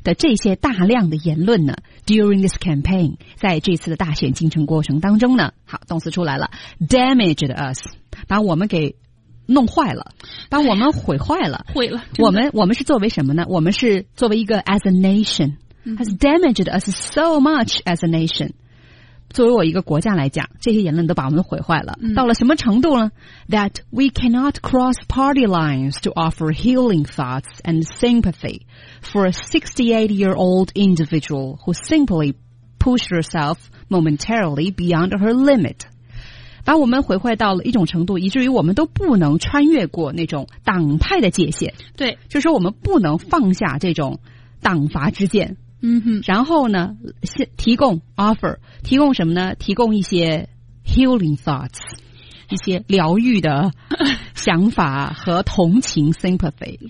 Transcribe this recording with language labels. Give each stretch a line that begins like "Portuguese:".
Chinese: 的这些大量的言论呢 ，
English: during this campaign，
Chinese: 在这次的大选竞争过程当中呢，好，动词出来了 ，
English: damaged us，
Chinese: 把我们给。弄坏了，把我们毁坏了，毁了。我们是作为什么呢？我们是作为一个
English: as a nation，has damaged us so much as a nation。
Chinese: 作为我一个国家来讲，这些言论都把我们毁坏了。到了什么程度呢
English: ？That we cannot cross party lines to offer healing thoughts and sympathy for a 68-year-old individual who simply pushed herself momentarily beyond her limit。
Chinese: 把我们毁坏到了一种程度，以至于我们都不能穿越过那种党派的界限。对，就是我们不能放下这种党阀之见。嗯哼。然后呢，提供 offer， 提供什么呢？提供一些
English: healing thoughts，
Chinese: 一些疗愈的想法和同情 sympathy。